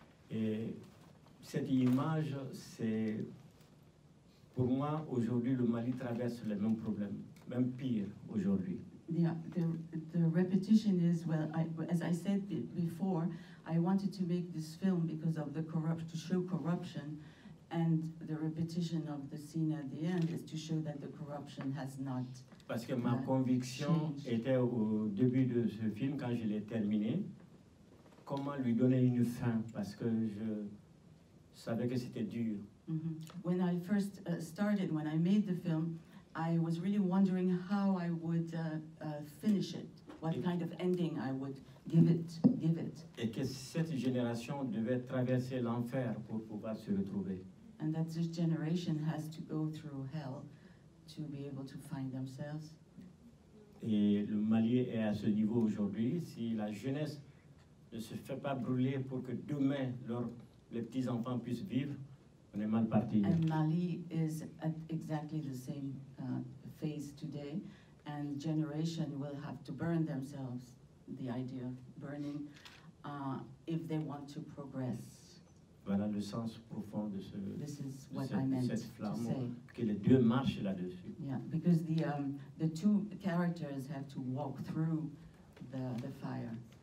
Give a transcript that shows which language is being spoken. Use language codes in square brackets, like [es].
[fr] Et cette image, c'est pour moi, aujourd'hui, le Mali traverse les mêmes problèmes, même pire aujourd'hui. [en] Yeah, the repetition is, well, as I said before, I wanted to make this film because of the corrupt, to show corruption. And the repetition of the scene at the end is to show that the corruption has not changed. [fr] Parce que ma conviction était au début de ce film, quand je l'ai terminé, comment lui donner une fin, parce que je savais que c'était dur. Mm-hmm. [en] When I first started, when I made the film, I was really wondering how I would finish it, what kind of ending I would give it. [fr] Et que cette génération devait traverser l'enfer pour pouvoir se retrouver. [en] And that this generation has to go through hell to be able to find themselves. [fr] Et le Mali est à ce niveau aujourd'hui. Si la jeunesse ne se fait pas brûler pour que demain les petits enfants puissent vivre, on est mal parti. [en] And Mali is at exactly the same phase today, and generation will have to burn themselves. The idea of burning, if they want to progress. [fr] Voilà le sens profond de ce cette flamme que les deux marchent là-dessus. [en] Yeah, because the two characters have to walk through the fire.